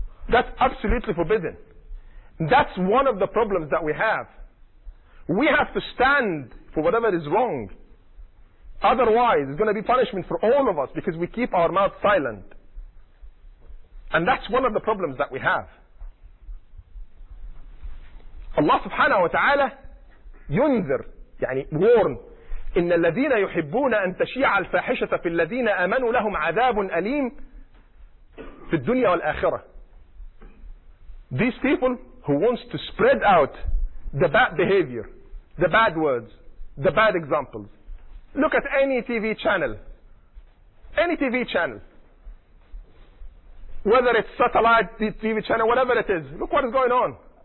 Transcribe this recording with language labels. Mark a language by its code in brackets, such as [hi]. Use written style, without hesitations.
[en] That's absolutely forbidden. That's one of the problems that we have. We have to stand for whatever is wrong. Otherwise, it's going to be punishment for all of us because we keep our mouth silent. And that's one of the problems that we have. [ar] Allah subhanahu wa ta'ala yunzir, يعني warn, إِنَّ الَّذِينَ يُحِبُّونَ أَن تَشِيعَ الْفَاحِشَةَ فِي الَّذِينَ آمَنُوا لَهُمْ عَذَابٌ أَلِيمٌ فِي الدُّنْيَا وَالْآخِرَةِ. [en] These people who wants to spread out the bad behavior, the bad words, the bad examples. Look at any TV channel. Any TV channel. Whether it's satellite TV channel, whatever it is. Look what is going on.